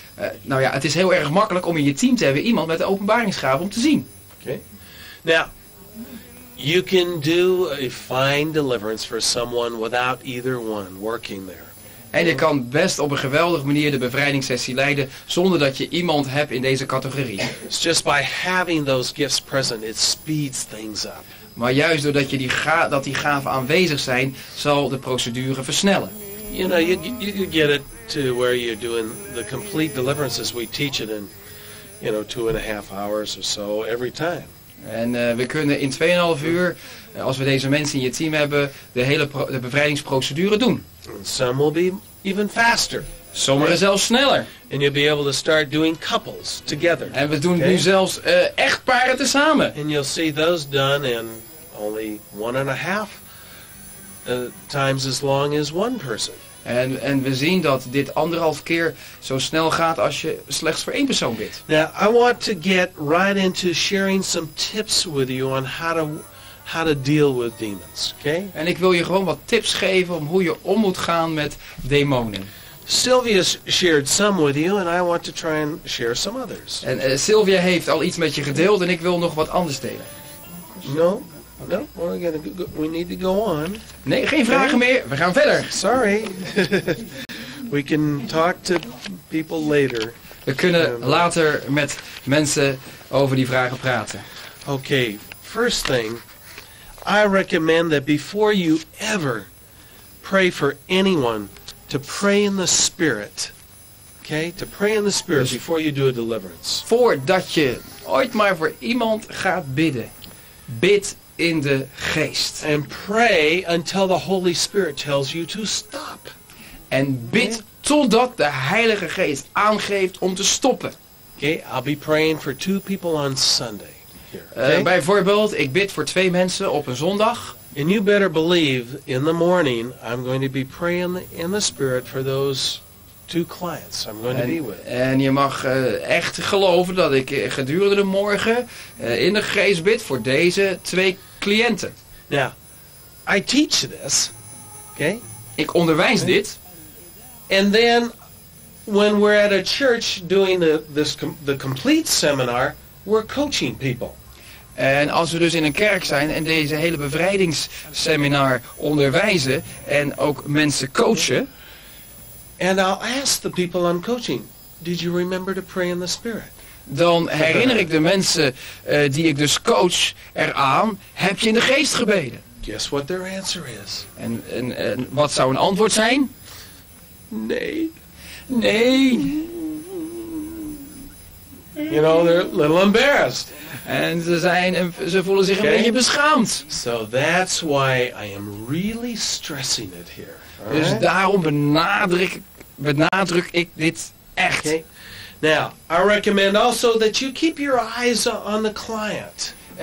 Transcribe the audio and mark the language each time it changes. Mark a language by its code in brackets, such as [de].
[nl] Het is heel erg makkelijk om in je team te hebben iemand met de openbaringsgave om te zien. [en] Okay. Now, you can do a fine deliverance for someone without either one working there. [nl] En je kan best op een geweldige manier de bevrijdingssessie leiden zonder dat je iemand hebt in deze categorie. [en] It's just by having those gifts present, it speeds things up. [nl] Maar juist doordat je die gaven aanwezig zijn, zal de procedure versnellen. [en] You know, you get it to where you're doing the complete deliverances. We teach it in, you know, 2.5 hours or so every time. [nl] En we kunnen in 2.5 uur, als we deze mensen in je team hebben, de hele de bevrijdingsprocedure doen. [en] And some will be even faster. [nl] Sommige zelfs sneller. [en] And you'll be able to start doing couples together. [nl] En we doen nu zelfs echtparen tezamen. [en] And you'll see those done in only 1.5 times as long as one person. [nl] En we zien dat dit 1.5 keer zo snel gaat als je slechts voor één persoon bidt. [en] Now I want to get right into sharing some tips with you on how to deal with demons. Okay? [nl] En ik wil je gewoon wat tips geven om hoe je om moet gaan met demonen. [en] Sylvia shared some with you and I want to try and share some others. [nl] En Sylvia heeft al iets met je gedeeld en ik wil nog wat anders delen. [en] No. Okay. No, we need to go on. [nl] Nee, geen vragen meer. We gaan verder. [en] Sorry. We can talk to people later. [nl] We kunnen later met mensen over die vragen praten. [en] Okay. First thing, I recommend that before you ever pray for anyone, to pray in the spirit. Okay? To pray in the spirit before you do a deliverance. [nl] Voordat je ooit maar voor iemand gaat bidden, bid in de geest. [en] And pray until the Holy Spirit tells you to stop. [nl] En bid totdat de Heilige Geest aangeeft om te stoppen. [en] Okay, I'll be praying for 2 people on Sunday. Here, okay? [nl] Bijvoorbeeld, ik bid voor 2 mensen op een zondag. [en] And you better believe in the morning I'm going to be praying in the Spirit for those 2 clients I'm going to be with. [nl] En je mag echt geloven dat ik gedurende de morgen in de geest bid voor deze 2 cliënten. [en] Now, I teach this, okay? [nl] Ik onderwijs dit. [en] And then, when we're at a church doing the complete seminar, we're coaching people. [nl] En als we dus in een kerk zijn en deze hele bevrijdingsseminar onderwijzen en ook mensen coachen. [en] And I'll ask the people I'm coaching, did you remember to pray in the Spirit? [nl] dan herinner ik de mensen die ik dus coach eraan, heb je in de geest gebeden? [en] Guess what their answer is. [nl] En wat zou een antwoord zijn? Nee. Nee. [en] You know, they're a little embarrassed. [nl] En ze voelen zich een beetje beschaamd. [en] So that's why I am really stressing it here. Right? [nl] Dus daarom benadruk ik dit echt. Okay. [en] Now, I recommend also that you keep your eyes on the client.